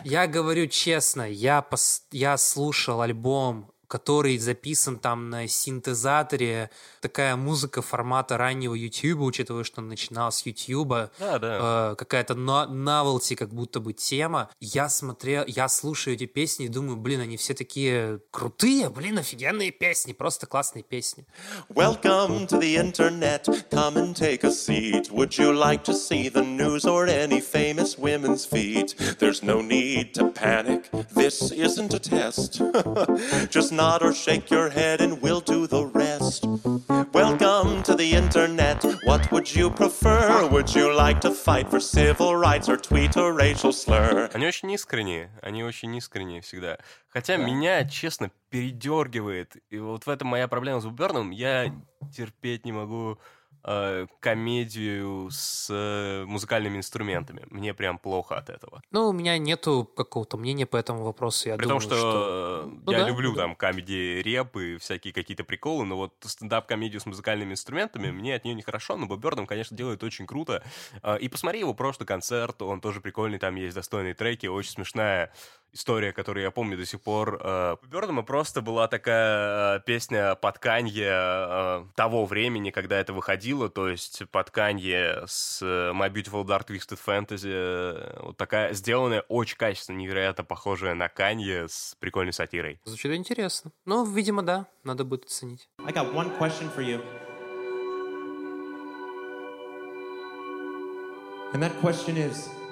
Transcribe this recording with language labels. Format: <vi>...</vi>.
<ru>Я говорю честно, я слушал альбом, который записан там на синтезаторе, такая музыка формата раннего Ютьюба, учитывая, что он начинал с Ютьюба, какая-то новелти, как будто бы тема. Я слушаю эти песни и думаю, блин, они все такие крутые, блин, офигенные песни, просто классные песни.</ru> <en>Welcome to the internet, come and take a seat. Would you like to see the news or any famous women's feet? There's no need to panic, this isn't a test. Just not or shake your head and we'll do the rest. Welcome to the internet. What would you prefer? Would you like to fight for civil rights or tweet a racial slur?</en> <ru>Они очень искренние. Они очень искренние всегда. Хотя да. Меня, честно, передергивает. И вот в этом моя проблема с Боб Бёрнамом. Я терпеть не могу комедию с музыкальными инструментами. Мне прям плохо от этого. Ну, у меня нету какого-то мнения по этому вопросу. Я при думаю, том, что... я люблю там комедии-реп и всякие какие-то приколы, но вот стендап-комедию с музыкальными инструментами мне от нее нехорошо, но Боб Бёрнам, конечно, делает очень круто. И посмотри его прошлый концерт, он тоже прикольный, там есть достойные треки, очень смешная история, которую я помню до сих пор. Боб Бёрнам просто была такая песня под Канье того времени, когда это выходило, то есть под Канье с My Beautiful Dark Twisted Fantasy, вот такая сделанная очень качественно, невероятно похожая на Канье с прикольной сатирой. Звучит интересно. Ну, видимо, да, надо будет оценить.</ru> <en>I got one question for you. And that question is...</en>